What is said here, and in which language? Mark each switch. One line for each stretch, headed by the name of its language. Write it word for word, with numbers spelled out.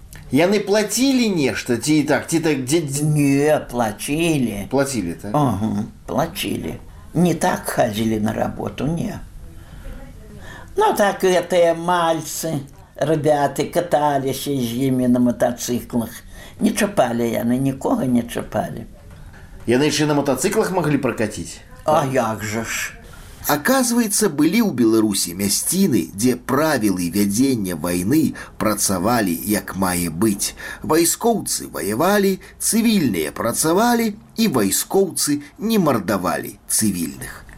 Russian: И они платили нечто? Те так, те так, те... Не, платили. Платили-то? Угу, платили. Не так ходили на работу, не. Ну так это мальцы, ребята катались из ими на мотоциклах.
Belarusian: Не чапали яны, нікога не чапали.
Russian: Яны еще на мотоциклах могли прокатить?
Belarusian: А як же ж.
Russian: Оказывается, были у
Belarusian: Беларуси мясціны, где правілы вядзення войны працавали, як мае быть. Вайскоўцы воевали, цивильные працавали, и вайскоўцы не мордовали цивильных.